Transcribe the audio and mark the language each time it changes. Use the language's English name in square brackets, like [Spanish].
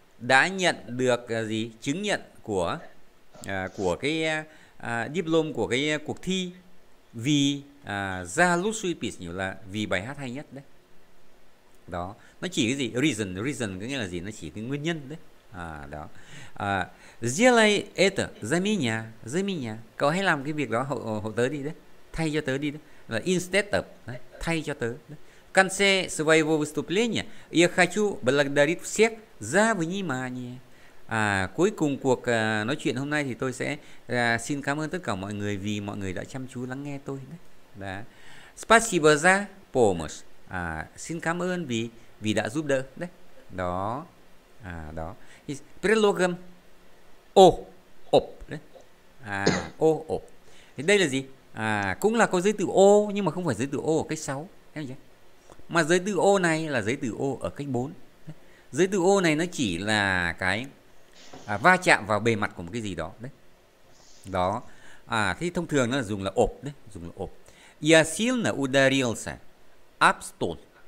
[Vietnamese] đã nhận được gì chứng nhận của cái diplôm của cái cuộc thi vì ra lút suy pít nhiều là vì bài hát hay nhất đấy đó, nó chỉ cái gì reason, reason có nghĩa là gì, nó chỉ cái nguyên nhân đấy đó. [Russian] Сделай это за меня, за меня. [Vietnamese] Cậu hãy làm cái việc đó hộ tớ đi đấy, thay cho tớ đi đấy, là [English] instead of [Vietnamese] đấy, thay cho tớ đấy. [Russian] В конце своего выступления я хочу благодарить всех за внимание. [Vietnamese] Cuối cùng cuộc nói chuyện hôm nay thì tôi sẽ xin cảm ơn tất cả mọi người vì mọi người đã chăm chú lắng nghe tôi đấy. [Russian] Спасибо за помощь. [Vietnamese] Xin cảm ơn vì vì đã giúp đỡ đấy. Đó. Đó. [Russian] Предлогом о об đấy. [Vietnamese] О об. Thì đây là gì? Cũng là có giới từ о nhưng mà không phải giới từ o ở cách 6, em nhỉ? Mà giới từ ô này là giới từ ô ở cách 4. Giới từ ô này nó chỉ là cái va chạm vào bề mặt của một cái gì đó đấy. Đó. Thì thông thường nó là dùng là ộp đấy, dùng là ộp. Yasil là udarilsa. Upstone.